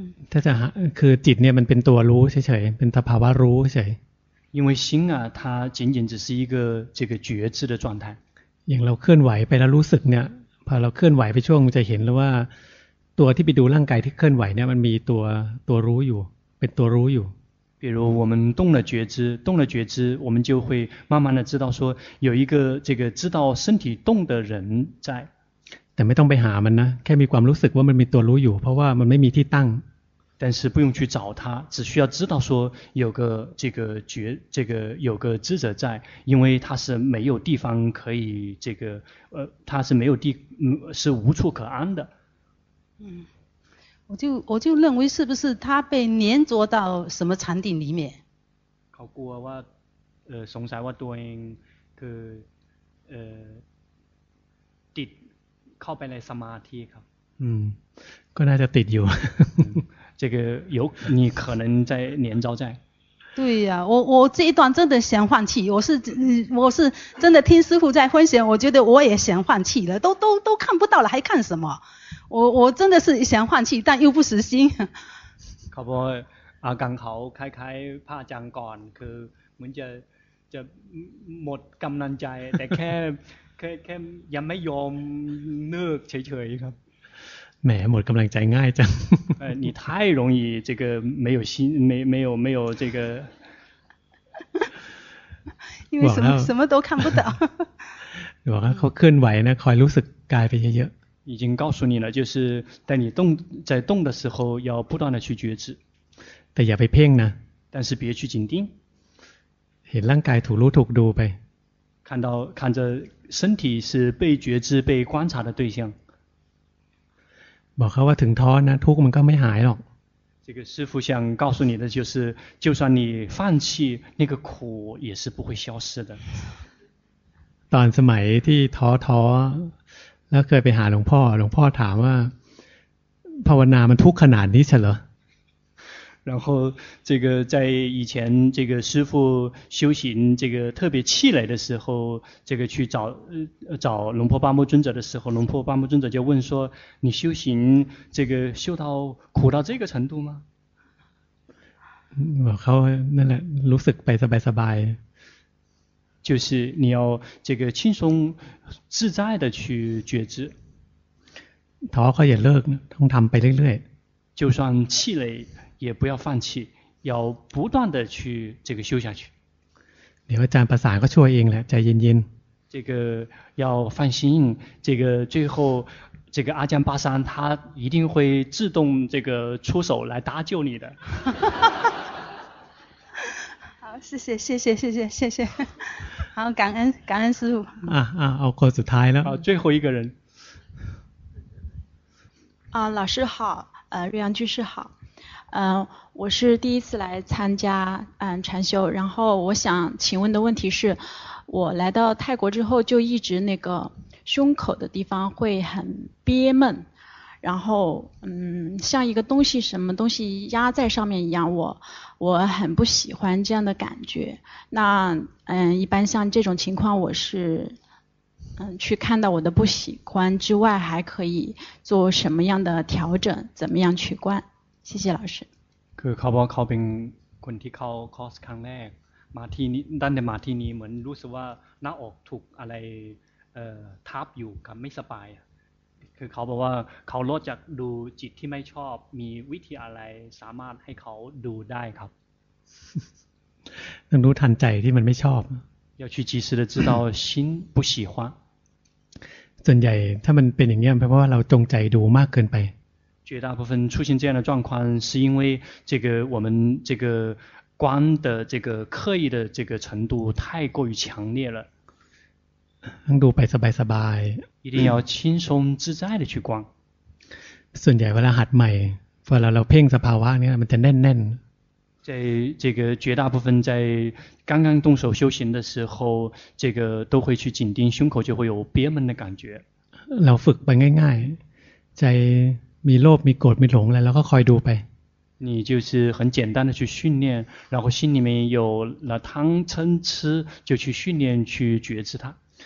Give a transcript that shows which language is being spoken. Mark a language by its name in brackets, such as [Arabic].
[Thai] ถ้าจะคือจิตเนี่ยมันเป็นตัวรู้เฉยๆเป็นสภาวะรู้เฉย [Chinese] 因为心啊它仅仅只是一个这个觉知的状态 [Thai] อย่างเราเคลื่อนไหวไปแล้วรู้สึกเนี่ยพอเราเคลื่อนไหวไปช่วงจะเห็นแล้วว่าตัวที่ไปดูร่างกายที่เคลื่อนไหวเนี่ยมันมีตัวรู้อยู่เป็นตัวรู้อยู่ [Chinese] 比如我们动了觉知动了觉知我们就会慢慢的知道说有一个这个知道身体动的人在 [Thai] แต่ไม่ต้องไปหามันนะแค่มีความรู้สึกว่ามันมีตัวรู้อยู่เพราะว่ามันไม่มีที่ตั้ง [Chinese] 但是不用去找它只需要知道说有个这个觉这个有个知者在因为它是没有地方可以这个它是没有地是无处可安的我就认为是不是他被粘着到什么禅定里面 [Thai] เขากลัวว่าสงสัยว่าตัวเองคือติดเข้าไปในสมาธิครับ ก็น่าจะติดอยู่ [Chinese] 这个有你可能在粘着在对呀、啊、我这一段真的想放弃我是真的听师父在分享我觉得我也想放弃了都看不到了还看什么我真的是想放弃但又不死心 [Thai] เขาบอกกังเขาคล้ายๆพระอาจารย์ก่อนคือเหมือนจะหมดกำลังใจแต่แค่ยังไม่ยอมเลิกเฉยๆครับ แหมหมดกำลังใจง่ายจัง [Chinese] 你太容易这个没有心没有这个因为什么都看不到 [Thai] บอกว่าเขาเคลื่อนไหวนะคอยรู้สึกกายไปเยอะ [Chinese] 已经告诉你了就是在你动在动的时候要不断的去觉知 [Thai] แต่อย่าไปเพ่งนะ [Chinese] 但是别去紧盯 [Thai] เห็นร่างกายถูกรู้ถูกดูไป [Chinese] 看着身体是被觉知被观察的对象 [Thai] บอกเขาว่าถึงท้อนะทุกข์มันก็ไม่หายหรอก [Chinese] 这个师父想告诉你的就是就算你放弃那个苦也是不会消失的 [Thai] ตอนสมัยที่ท้อแล้วเคยไปหาหลวงพ่อถามว่าภาวนามันทุกข์ขนาดนี้ใช่เหรอ [Chinese] 然后这个在以前这个师父修行这个特别气馁的时候这个去找龙婆巴木尊者的时候龙婆巴木尊者就问说你修行这个修到苦到这个程度吗 [Thai] บอกเขานั่นแหละรู้สึกไปสบายสบาย [Chinese] 就是你要这个轻松自在的去觉知 [Thai] ท้อก็อย่าเลิกต้องทำไปเรื่อย [Chinese] ๆ就算气馁也不要放弃要不断的去这个修下去 [Thai] เดี๋ยวอาจารย์ประสานก็ช่วยเองแหละใจเย็น [Chinese] ๆ这个要放心这个最后这个阿姜巴桑他一定会自动这个出手来搭救你的谢谢好感恩师父 [Thai] เอาคนสุดท้ายแล้ว [Chinese] 最后一个人老师好瑞阳居士好我是第一次来参加禅修然后我想请问的问题是我来到泰国之后就一直那个胸口的地方会很憋闷然后像一个东西什么东西压在上面一样我很不喜欢这样的感觉那一般像这种情况我是去看到我的不喜欢之外还可以做什么样的调整怎么样去观谢谢老师 [Thai] คือเขาบอกเขาเป็นคนที่เข้าคอร์สครั้งแรกมาที่นี้ด้านในมาที่นี้เหมือนรู้สึกว่าหน้าอกถูกอะไรทับอยู่ครับไม่สบายคือเขาบอกว่าเขาลดจากดูจิตที่ไม่ชอบมีวิธีอะไรสามารถให้เขาดูได้ครับ ต้องรู้ทันใจที่มันไม่ชอบ [Chinese] 要去及时的知道心不喜欢 [Thai] ส่วนใหญ่ถ้ามันเป็นอย่างนี้เพราะว่าเราจงใจดูมากเกินไป [Chinese] 绝大部分出现这样的状况是因为这个我们这个观的这个刻意的这个程度太过于强烈了 [Thai] ต้องดูไปสบายสบาย [Chinese] 一定要轻松自在的去观 [Thai] ส่วนใหญ่เวลาหัดใหม่พอเราเพ่งสภาวะเนี่ยมันจะแน่นแน่น [Chinese] 在这个绝大部分在刚刚动手修行的时候这个都会去紧盯胸口就会有憋闷的感觉 [Thai] เราฝึกไปง่ายๆใจมีโลภมีโกรธมีหลงแล้วก็คอยดูไป [Chinese] 你就是很简单的去训练，然后心里面有了贪嗔痴，就去训练去觉知它。